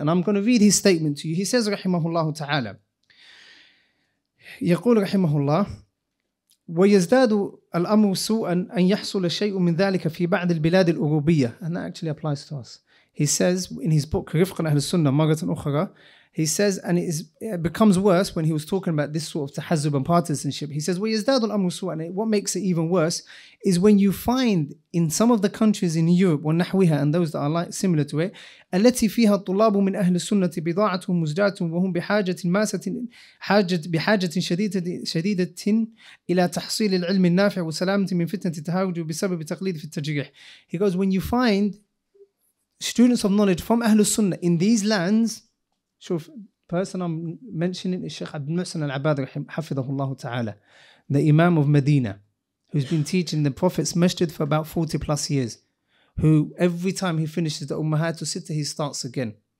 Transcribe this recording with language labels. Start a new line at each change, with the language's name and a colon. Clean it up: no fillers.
English: And I'm going to read his statement to you. He says, rahimahullah ta'ala,
Arabic: يقول
English: rahimahullah,
Arabic: ويزداد الأمر سوءا أن يحصل شيء من ذلك في بعض البلاد الأوروبية.
English: And that actually applies to us. He says in his book, Rifqan Ahlus Sunnah, Maratan Ukhara, he says, and it becomes worse when he was talking about this sort of tahazzub and partisanship. He says,
Arabic: ويزداد الأمر سوءا,
English: and what makes it even worse is when you find in some of the countries in Europe,
Arabic: ونحوها,
English: and those that are similar to it,
Arabic: التي فيها الطلاب من أهل السنة بضاعتهم مزجاة وهم بحاجة ماسة بحاجة شديدة إلى تحصيل العلم النافع وسلامة من فتنة التهاوج بسبب تقليد في التجريح.
English: He goes, when you find students of knowledge from Ahlus Sunnah in these lands, so the person I'm mentioning is Shaykh Abdul Muhsin al-Abad hafidhahullah ta'ala, the Imam of Medina, who's been teaching the Prophet's Masjid for about 40 plus years, who every time he finishes the Ummahatu Sittah, he starts again.